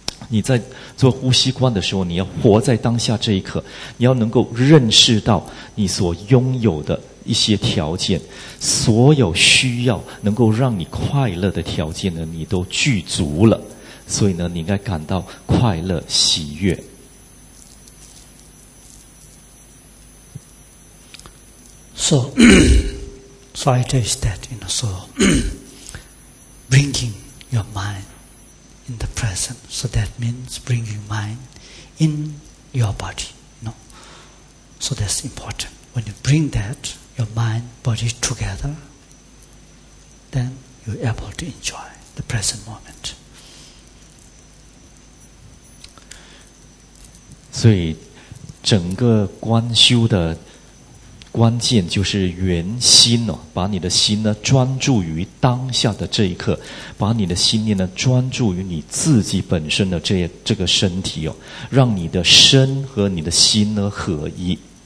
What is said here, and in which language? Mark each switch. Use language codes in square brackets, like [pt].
[zh] 你在做呼吸观的时候，你要活在当下这一刻，你要能够认识到你所拥有的一些条件，所有需要能够让你快乐的条件呢，你都具足了，所以呢，你应该感到快乐喜悦。 [en] So I just that in the soul, bringing your mind. In the present, so that means bringing mind in your body, you know? So that's important. When you bring that, your mind, body together, then you're able to enjoy the present moment. [zh] 所以整个观修的关键就是圆心哦，把你的心呢专注于当下的这一刻，把你的心念呢专注于你自己本身的这个身体哦，让你的身和你的心呢合一。